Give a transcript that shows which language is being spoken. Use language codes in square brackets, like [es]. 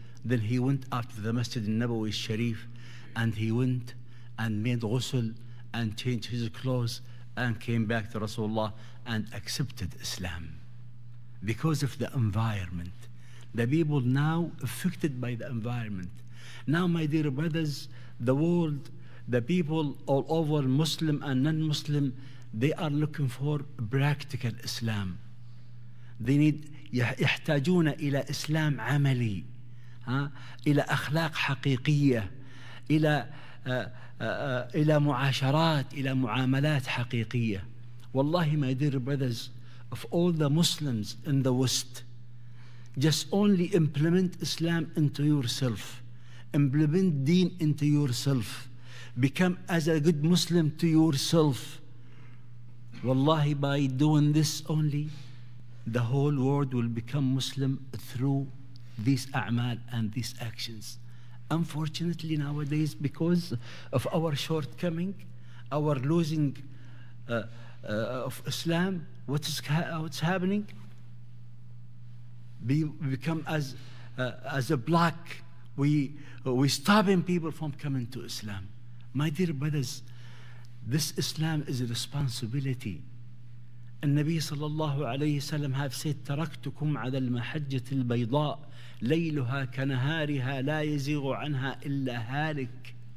[en] Then he went after the Masjid al-Nabawi al-Sharif, and he went and made ghusl and changed his clothes and came back to Rasulullah and accepted Islam because of the environment. The people now affected by the environment. Now, my dear brothers, the world, the people all over, Muslim and non-Muslim, they are looking for practical Islam. They need [ar] يحتاجون إلى إسلام عملي إلى أخلاق حقيقية إلى معاشرات إلى معاملات حقيقية. والله ما يدير [en] brothers, of all the Muslims in the West, just only implement Islam into yourself, implement deen into yourself, become as a good Muslim to yourself. والله, by doing this only, the whole world will become Muslim through these a'mal and these actions. Unfortunately, nowadays, because of our shortcoming, our losing of Islam, what's happening? We become as a block. We stopping people from coming to Islam. My dear brothers, this Islam is a responsibility. [ar] النبي صلى الله عليه وسلم [en] have said, [ar] تركتكم على المحجة البيضاء ليلها كنهارها لا يزيغ عنها إلا هالك.